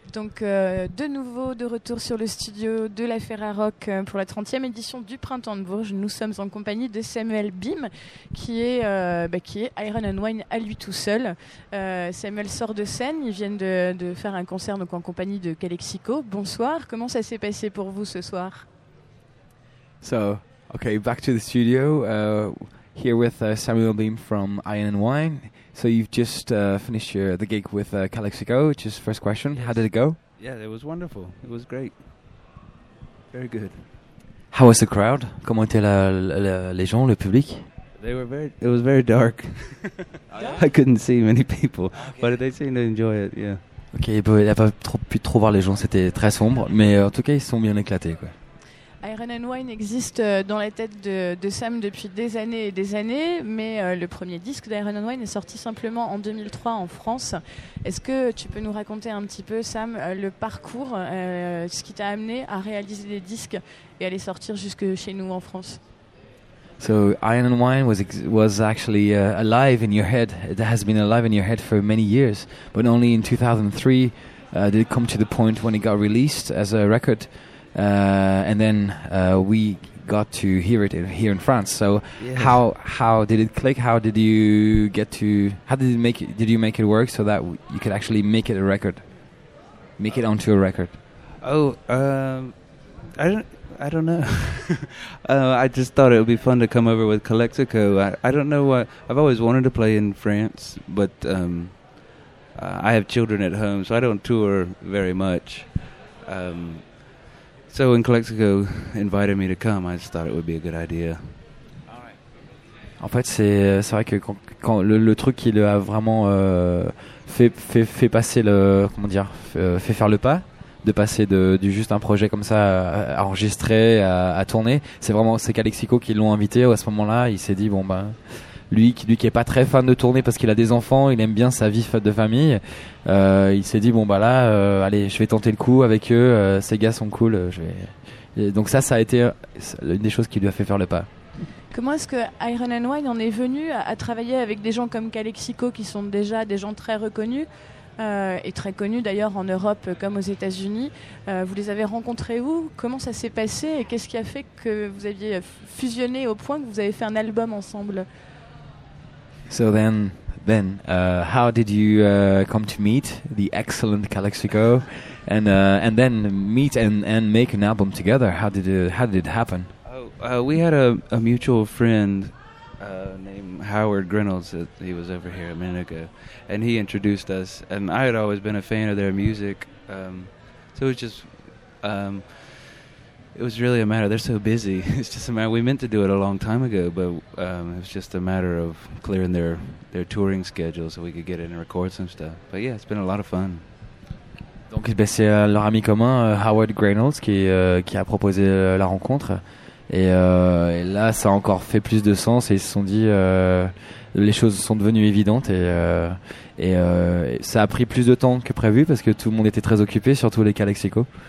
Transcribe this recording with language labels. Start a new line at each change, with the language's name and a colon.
French: donc de nouveau de retour sur le studio de la Ferra Rock pour la 30e édition du Printemps de Bourges. Nous sommes en compagnie de Samuel Bim, qui est Iron and Wine à lui tout seul. Samuel sort de scène, ils viennent de faire un concert donc en compagnie de Calexico. Bonsoir, comment ça s'est passé pour vous ce soir?
English: So, okay, back to the studio. Here with Samuel Bim from Iron and Wine. So you've just finished the gig with Calexico, which is first question. Yes. How did it go? Yeah, it was wonderful. It was great. Very good. How was the crowd?
French: Comment étaient les gens, le public?
English: It was very dark. I couldn't see many people, okay. But they seemed to enjoy it, yeah.
French: Ok, bah, il n'a pas pu trop voir les gens, c'était très sombre, mais en tout cas, ils se sont bien éclatés, quoi. Iron and Wine existe dans la tête de Sam depuis des années et des années, mais le premier disque d'Iron and Wine est sorti simplement en 2003 en France. Est-ce que tu peux nous raconter un petit peu, Sam, le parcours, ce qui t'a amené à réaliser des disques et à les sortir jusque chez nous en France?
English: So Iron and Wine was actually alive in your head. It has been alive in your head for many years, but only in 2003 did it come to the point when it got released as a record. And then we got to hear it here in France. So yeah. how did it click? How did you make it work so that you could actually make it a record? Make it onto a record? I don't know. I just thought it would be fun to come over with Calexico. I don't know what, I've always wanted to play in France, but I have children at home, so I don't tour very much. So when Calexico invited me to come, I just thought it would be a good idea.
French: En fait, c'est vrai que quand le truc qui l'a vraiment fait passer le, comment dire, fait faire le pas, de passer de juste un projet comme ça à enregistrer, à tourner, c'est Calexico qui l'ont invité. À ce moment-là, il s'est dit, bon ben, lui qui est pas très fan de tourner parce qu'il a des enfants, il aime bien sa vie de famille, il s'est dit bon bah là allez, je vais tenter le coup avec eux, ces gars sont cool, donc ça a été une des choses qui lui a fait faire le pas. Comment est-ce que Iron and Wine en est venu à travailler avec des gens comme Calexico qui sont déjà des gens très reconnus et très connus d'ailleurs en Europe comme aux États-Unis? Vous les avez rencontrés où, comment ça s'est passé et qu'est-ce qui a fait que vous aviez fusionné au point que vous avez fait un album ensemble?
English: So then, how did you come to meet the excellent Calexico, and then meet and make an album together? How did it happen? We had a mutual friend named Howard Grinnells. He was over here a minute ago, and he introduced us. And I had always been a fan of their music, so it was just it was really a matter. They're so busy. It's just a matter. We meant to do it a long time ago, but it was just a matter of clearing their touring schedule so we could get in and record some stuff. But yeah, it's been a lot of fun.
French: Donc, ben, c'est leur ami commun, Howard Grinnells, qui a proposé la rencontre. Et là, ça a encore fait plus de sens. Et ils se sont dit, les choses sont devenues évidentes. Et ça a pris plus de temps que prévu parce que tout le monde était très occupé, surtout les Calexico.